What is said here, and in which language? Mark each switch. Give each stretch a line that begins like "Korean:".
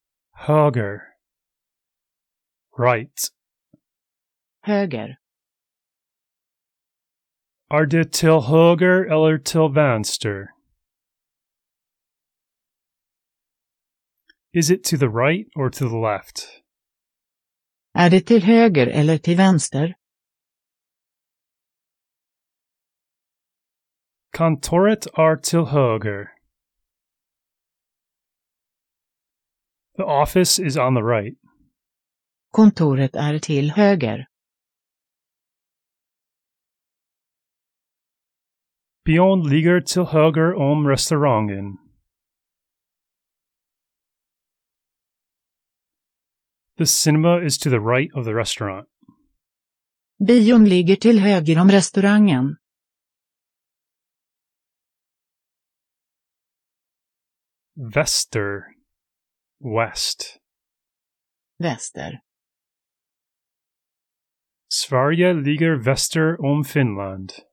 Swedish: Höger.
English: Right.
Swedish: Höger. Är det till höger eller till vänster?
English: Is it to the right or to the left?
Swedish: Är det till höger eller till vänster? Kontoret är till höger.
English: The office is on the right.
Swedish: Kontoret är till höger. Bion ligger till höger om restaurangen.
English: The cinema is to the right of the restaurant.
Swedish: Bion ligger till höger om restaurangen. Väster.
English: West.
Swedish: Väster. Sverige ligger väster om Finland.